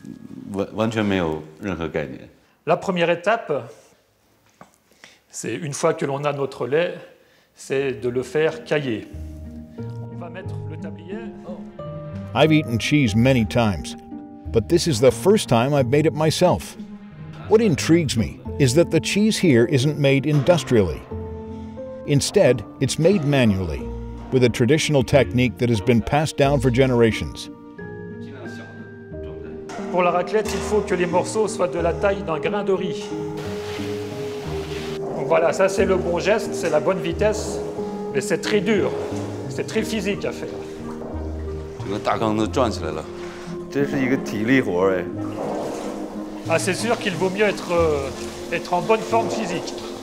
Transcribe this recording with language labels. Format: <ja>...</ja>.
<zh>你能告诉我怎么来做吗？完全没有任何概念。</zh> <fr>La première étape, c'est une fois que l'on a notre lait, c'est de le faire cailler. On va mettre le tablier.</fr> <en>I've eaten cheese many times, but this is the first time I've made it myself. What intrigues me is that the cheese here isn't made industrially. Instead, it's made manually, with a traditional technique that has been passed down for generations.</en> <fr>Pour la raclette, il faut que les morceaux soient de la taille d'un grain de riz. Donc voilà, ça c'est le bon geste, c'est la bonne vitesse, mais c'est très dur, c'est très physique à faire.</fr> <zh>这个大缸都转起来了，这是一个体力活哎。</zh> <fr>Ah, c'est sûr qu'il vaut mieux être, être en bonne forme physique.</fr>